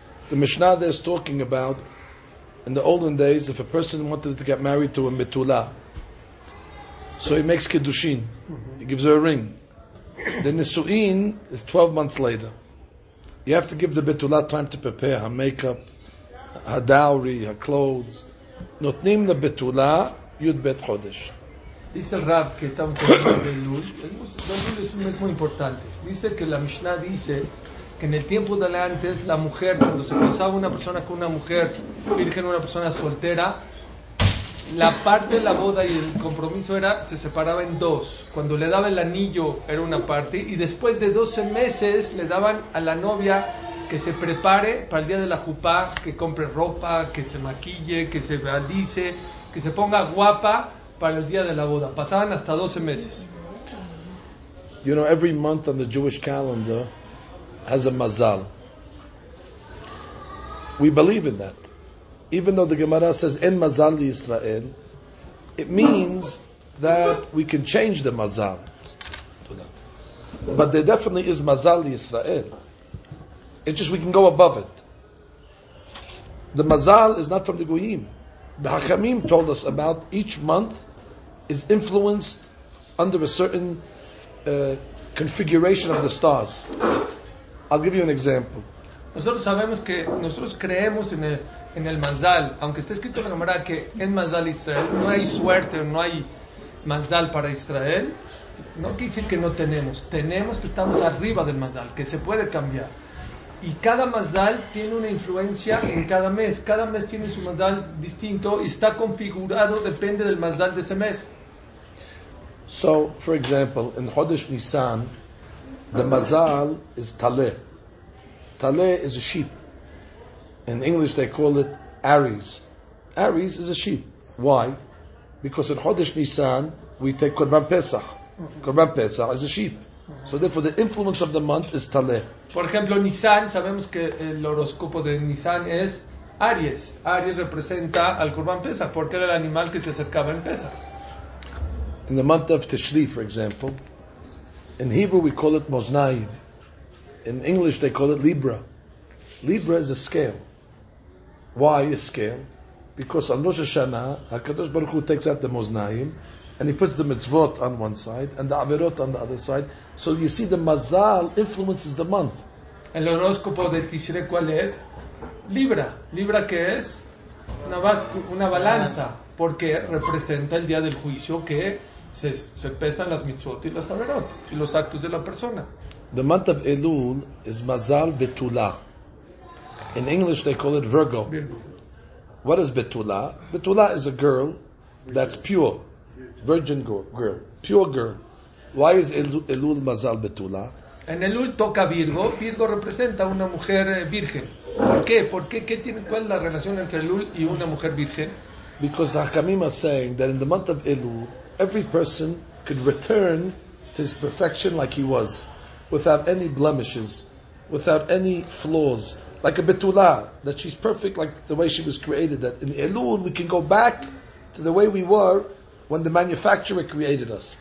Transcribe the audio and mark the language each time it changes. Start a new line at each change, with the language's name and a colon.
English: The Mishnah there is talking about in the olden days, if a person wanted to get married to a Betula, so he makes Kiddushin, he gives her a ring. The Nisu'in is 12 months later. You have to give the Betula time to prepare her makeup, her dowry, her clothes.
Hebrew: Notnim Labetula Yudbet Chodesh.
Spanish: Dice el Rav que estamos en el Lul. El Lul es un mes muy importante. Dice que la Mishnah dice que en el tiempo de antes, la mujer, cuando se casaba una persona con una mujer virgen, una persona soltera, la parte de la boda y el compromiso era, se separaba en dos. Cuando le daba el anillo, era una parte, y después de 12 meses le daban a la novia que se prepare para el día de la jupá, que compre ropa, que se maquille, que se alice, que se ponga guapa para el día de la boda. Pasaban hasta 12 meses.
English: You know, every month on the Jewish calendar has a mazal. We believe in that. Even though the Gemara says,
Hebrew: "En mazal Yisrael,"
English: it means that we can change the mazal. But there definitely is mazal Yisrael. It's just we can go above it. The mazal is not from the Goyim. The Hachamim told us about each month is influenced under a certain configuration of the stars. I'll give you an example.
Spanish: Nosotros sabemos que nosotros creemos en el mazal, aunque está escrito en la Gemara que
Hebrew: en mazal Israel
Spanish: no hay suerte, no hay mazal para Israel. No quiere decir que no tenemos. Tenemos, pero estamos arriba del mazal, que se puede cambiar. Y cada mazal tiene una influencia en cada mes. Cada mes tiene su mazal distinto y está configurado, depende del mazal de ese mes.
English: So, for example, in Chodesh Nisan, the mazal is Taleh. Taleh is a sheep. In English they call it Aries. Aries is a sheep. Why? Because in Chodesh Nisan, we take Korban Pesach. Korban Pesach is a sheep. So therefore, the influence of the month is Taleh.
Spanish: Por ejemplo, Nisan, sabemos que el horóscopo de Nisan es Aries. Aries representa al Kurban Pesach, porque era el animal que se acercaba en Pesach.
English: In the month of Tishri, for example, in Hebrew we call it Moznayim. In English they call it Libra. Libra is a scale. Why a scale? Because on Rosh Hashanah, HaKadosh Baruch Hu takes out the Moznayim, and he puts the mitzvot on one side and the averot on the other side. So you see, the mazal influences the month.
Spanish: El horóscopo de Tishrei, ¿cuál es? Libra. Libra, ¿qué es? Una balanza. Porque representa el día del juicio, que se pesan las mitzvot y las averot, y los actos de la persona.
English: The month of Elul is mazal betula. In English they call it Virgo. What is betula? Betula is a girl that's pure. Virgin girl, pure girl. Why is Elul Mazal Betula?
Spanish: En Elul toca Virgo. Virgo representa una mujer virgen. ¿Por qué? ¿Por qué? ¿Qué tiene, cuál es la relación entre Elul y una mujer virgen?
English: Because the Hakamim are saying that in the month of Elul, every person could return to his perfection like he was, without any blemishes, without any flaws, like a Betula, that she's perfect like the way she was created. That in Elul we can go back to the way we were when the manufacturer created us.